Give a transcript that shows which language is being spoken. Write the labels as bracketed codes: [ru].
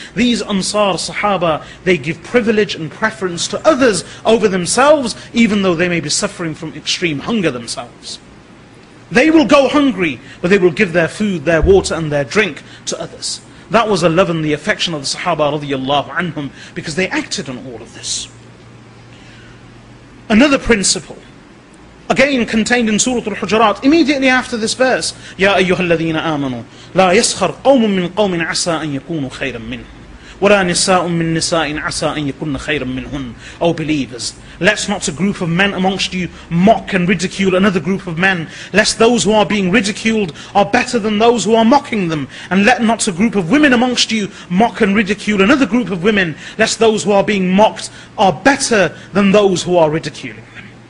[en] These Ansar Sahaba, they give privilege and preference to others over themselves, even though they may be suffering from extreme hunger themselves. They will go hungry, but they will give their food, their water and their drink to others. That was the love and the affection of the Sahaba radiallahu anhum, because they acted on all of this. Another principle, again contained in Surah Al-Hujurat, immediately after this verse, [ar] يَا أَيُّهَا الَّذِينَ آمَنُوا لَا يَسْخَرْ قَوْمٌ مِّنْ قَوْمٍ عَسَىٰ أَنْ يَكُونُوا خَيْرًا مِّنْهُمْ وَلَا نِسَاءٌ مِّنْ نِسَاءٍ عَسَىٰ أَنْ يَكُنَّ خَيْرًا مِّنْهُمْ. [en] O believers, let's not a group of men amongst you mock and ridicule another group of men, lest those who are being ridiculed are better than those who are mocking them. And let not a group of women amongst you mock and ridicule another group of women, lest those who are being mocked are better than those who are ridiculing them.